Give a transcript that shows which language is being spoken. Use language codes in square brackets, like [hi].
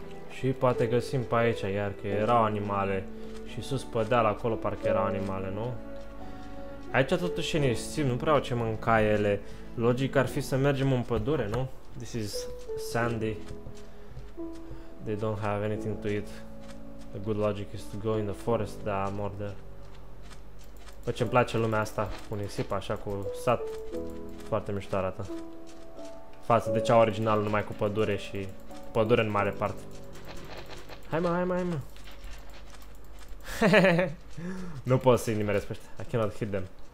[ro] Și poate găsim pe aici, iar că erau animale. Și sus pe deal, acolo parcă erau animale, nu? Aici totuși e nisip, nu prea au ce mânca ele. Logic ar fi să mergem în pădure, nu? [en] This is sandy. They don't have anything to eat. The good logic is to go in the forest, da, murder. [ro] Bă, ce-mi place lumea asta cu nisip, așa, cu sat. Foarte mișto arată. Față de cea originală, numai cu pădure și... Pădure în mare parte. Hai, mă, hai, mă, hai, mă. Nu pot să-i nimeresc pe ăștia. [en] I cannot hit them.